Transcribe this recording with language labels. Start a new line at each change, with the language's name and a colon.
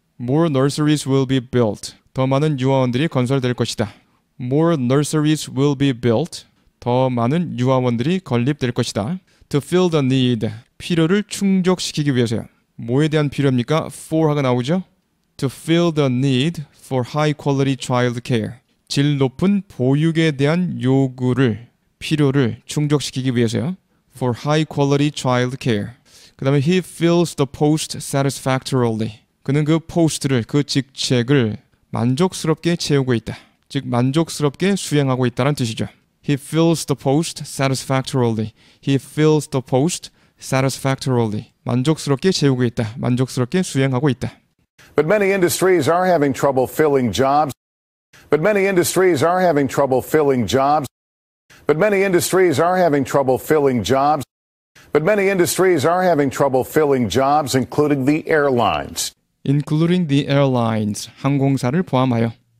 English: More nurseries will be built.
Korean: 더 많은 유아원들이 건설될 것이다.
English: More nurseries will be built.
Korean: 더 많은 유아원들이 건립될 것이다.
English: To fill the need.
Korean: 필요를 충족시키기 위해서요. 뭐에 대한 필요입니까? For가 나오죠?
English: To fill the need for high quality child care.
Korean: 질 높은 보육에 대한 요구를, 필요를 충족시키기 위해서요.
English: For high quality child care.
Korean: 그 다음에
English: he fills the post satisfactorily.
Korean: 그는 그 포스트를, 그 직책을 만족스럽게 채우고 있다. 즉 만족스럽게 수행하고 있다는 뜻이죠.
English: He fills the post satisfactorily. He fills the post satisfactorily.
Korean: 만족스럽게 채우고 있다. 만족스럽게 수행하고 있다.
English: But many industries are having trouble filling jobs. But many industries are having trouble filling jobs. But many industries are having trouble filling jobs. But many industries are having trouble filling jobs, including the airlines. Including the airlines.
Korean: 항공사를 포함하여.